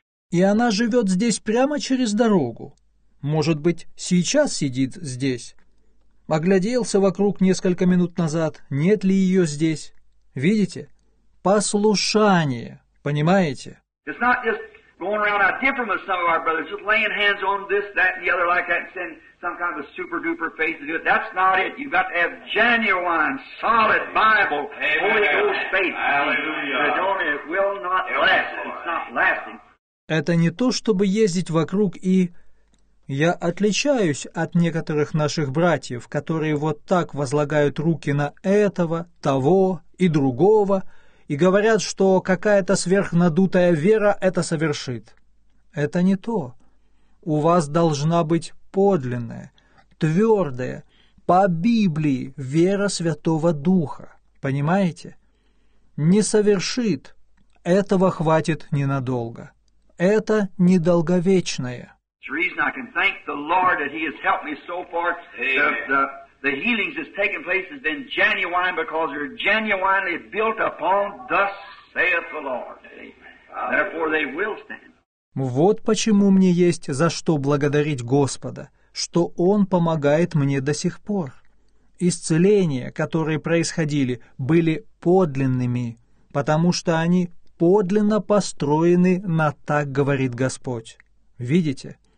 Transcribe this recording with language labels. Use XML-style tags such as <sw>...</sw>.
<ru>И она живет здесь прямо через дорогу. Может быть, сейчас сидит здесь. Огляделся вокруг несколько минут назад, нет ли ее здесь. Видите? Послушание. Понимаете?</ru> <en>It's not just going around out different with some of our brothers, just laying hands on this, that, and the other like that, and send some kind of a super-duper faith to do it. That's not it. You've got to have genuine, solid Bible, Holy Ghost faith. Hallelujah. It will not last. It's not lasting.</en> <ru>Это не то, чтобы ездить вокруг и... Я отличаюсь от некоторых наших братьев, которые вот так возлагают руки на этого, того и другого, и говорят, что какая-то сверхнадутая вера это совершит. Это не то. У вас должна быть подлинная, твердая, по Библии, вера Святого Духа. Понимаете? Не совершит. Этого хватит ненадолго. Это недолговечное.</ru> <en>The reason I can thank the Lord that He has helped me so far. The healings that's taken place has been genuine because they're genuinely built upon thus saith the Lord. Amen. Therefore they will stand.</en> <ru>Вот почему мне есть за что благодарить Господа, что Он помогает мне до сих пор. Исцеления, которые происходили, были подлинными, потому что они подлинно построены на «так говорит Господь». Видите?</ru>